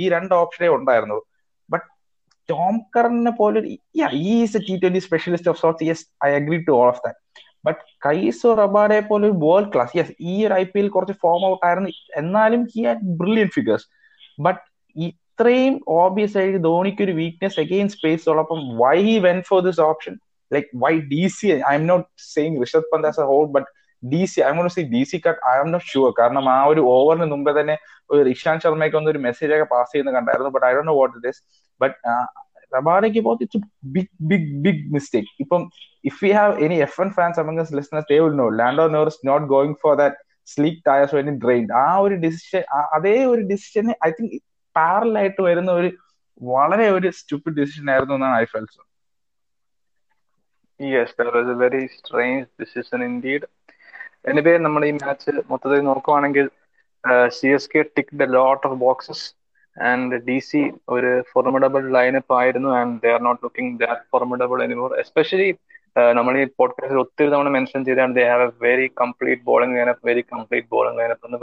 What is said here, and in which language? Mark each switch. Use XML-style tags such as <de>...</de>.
<ml>ഈ 2 ഓപ്ഷനേ ഉണ്ടായിരുന്നുള്ളൂ.</ml> <en>Tom കറിനെ പോലെ is a T20 specialist of sorts, yes I agree to all of that.</en> <ml>But കൈസോ റബാഡെ പോലെ ഒരു വേൾഡ് ക്ലാസ്, യെസ് ഈ ഒരു ഐ പി എൽ കുറച്ച് ഫോം ഔട്ട് ആയിരുന്നു, എന്നാലും</ml> <en>He had brilliant figures.</en> <ml>But ഇത്രയും ഓബിയസ് ആയിട്ട് ധോണിക്ക് ഒരു വീക്ക്നെസ് അഗെയിൻ സ്പേസ് ഉള്ളപ്പം</ml> <en>Why he went for this option, like why DC? I'm not saying Rishabh Pant as a whole, but DC, I'm going to say DC cut. I am not sure.</en> <ml>കാരണം ആ ഒരു ഓവറിന് മുമ്പേ തന്നെ ഒരു ഇഷാന്ത് ശർമ്മയ്ക്ക് ഒന്ന് ഒരു message ഒക്കെ പാസ് ചെയ്യുന്ന കണ്ടായിരുന്നു.</ml> <en>But I do know what this. But</en> <ml>റബാഡയ്ക്ക് പോകത്ത്</ml> <en>It's big big big mistake. ഇപ്പം if you have any F N fans among us listeners, they will know Lando Norris not going for that slick tyres when it drained.</en> <ml>ആ ഒരു decision, അതേ ഒരു decision</ml> <en>I think</en> <ml>parallel ആയിട്ട് വരുന്ന ഒരു വളരെ ഒരു സ്റ്റൂപ്പിഡ് ഡിസിഷൻ ആയിരുന്നു എന്നാണ്</ml> <en>I feels. Yes, that was a very strange decision indeed. Anyway,</en> <ml>നമ്മൾ ഈ മാച്ച് മൊത്തത്തിൽ നോക്കുവാണെങ്കിൽ</ml> <en>C S K ticked a lot of boxes and D C</en> <ml>ഒരു ഫോർമിഡബിൾ ലൈനപ്പ് ആയിരുന്നു</ml> <en>And they are not looking that formidable anymore.</en> <ml>Especially നമ്മൾ ഈ പോഡ്കാസ്റ്റിൽ ഒത്തിരി തവണ മെൻഷൻ ചെയ്താണ്</ml> <en>They have a very complete bowling lineup, very complete bowling lineup എന്ന്.</en>